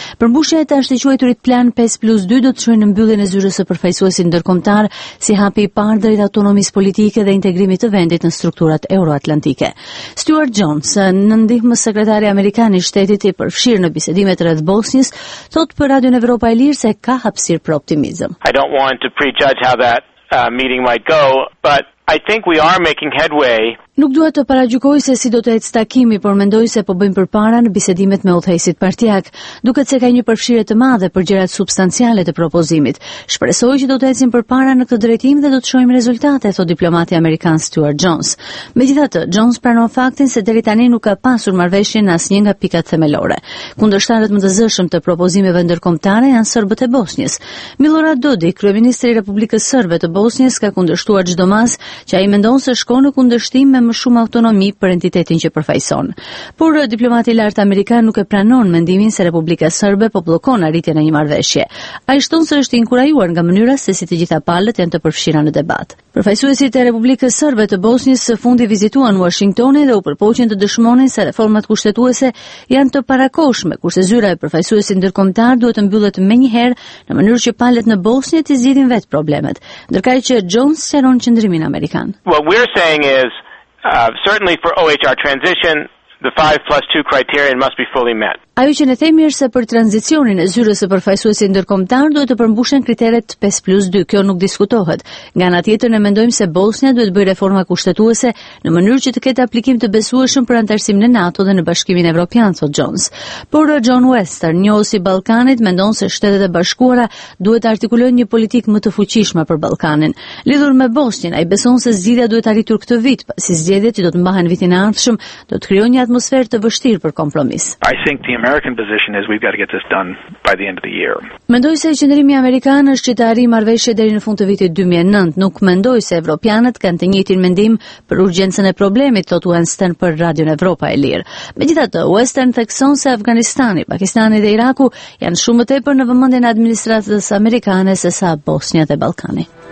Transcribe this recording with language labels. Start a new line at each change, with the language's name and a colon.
Albanian: Përmbushja e të ashtequajturit plan 5+2 do të çojë në mbylljen e zyrës së përfaqësuesit ndërkombëtar si hapi i parë drejt autonomisë politike dhe integrimit të vendit në strukturat euroatlantike. Stuart Jones, në ndihmës sekretari amerikan i shtetit i përfshirë në bisedimet rreth Bosnjës, thotë për Radio Evropa e Lirë se ka hapësirë për optimizëm.
English: I don't want to prejudge how that meeting might go, but I think we are making headway.
Albanian: Nuk dua të paragjykoj se si do të ecë takimi, por mendoj se po bëjmë përpara në bisedimet me udhëheqësit partiak. Duket se ka një përfshirje të madhe për gjërat substanciale të propozimit. Shpresoj që do të ecim përpara në këtë drejtim dhe do të shohim rezultate, thot diplomati amerikan Stuart Jones. Megjithatë, Jones pranon faktin se deri tani nuk ka pasur marrëveshje në asnjë nga pikat themelore. Kundërshtarët më të zëshëm të propozimeve ndërkombëtare janë serbët e Bosnjës. Milorad Dodik, kryeministri i Republikës Serbe të Bosnjës, ka kundërshtuar çdo mas që ai mendon se shkon në kundërshtim me më shumë autonomi për entitetin që përfaqëson. Por diplomati i lartë amerikan nuk e pranon mendimin se Republika Serbe po bllokon arritjen e një marrëveshje. Ai shton se është inkurajuar nga mënyra se si të gjitha palët janë të përfshira në debat. Përfaqësuesit e Republikës Serbe të Bosnjës së fundi vizituan Washingtonin dhe u përpoqën të dëshmonin se reformat kushtetuese janë të parakoshme, kurse zyra e përfaqësuesit ndërkombëtar duhet të mbyllet menjëherë në mënyrë që palët në Bosnjë të zgjidhin vetë problemet, ndërkaq që Jones sqaron qëndrimin amerikan.
English: What we're saying is certainly for OHR transition, the 5+2 criterion must be fully met.
Albanian: Ajo që ne themi është se për tranzicionin e zyrës së përfaqësuesit ndërkombëtar duhet të përmbushen kriteret 5+2, kjo nuk diskutohet. Nga ana tjetër ne mendojmë se Bosnia duhet bëjë reforma kushtetuese në mënyrë që të ketë aplikim të besueshëm për antarësimin në NATO dhe në Bashkimin Evropian, thot Jones. Por John Wester, njohës i Ballkanit, mendon se Shtetet e Bashkuara duhet të artikulojnë një politikë më të fuqishme për Ballkanin. Lidhur me Bosnjën, ai beson se zgjidhja duhet arritur këtë vit, pasi zgjedhjet që do të mbahen vitin e ardhshëm do të krijojnë një atmosferë të vështirë për kompromis.
English: American position is we've got to get this done by the end of the year.
Albanian: Mendoj se qëndrimi amerikan është që të arrijë marrëveshje deri në fund të vitit 2009. Nuk mendoj se evropianët kanë të njëjtin mendim për urgjencën e problemit, thotë Western për Radio Evropa e Lirë. Megjithatë, Western thekson se Afganistani, Pakistani dhe Iraku janë shumë më tepër në vëmendjen e administratës amerikane se sa Bosnia dhe Ballkani.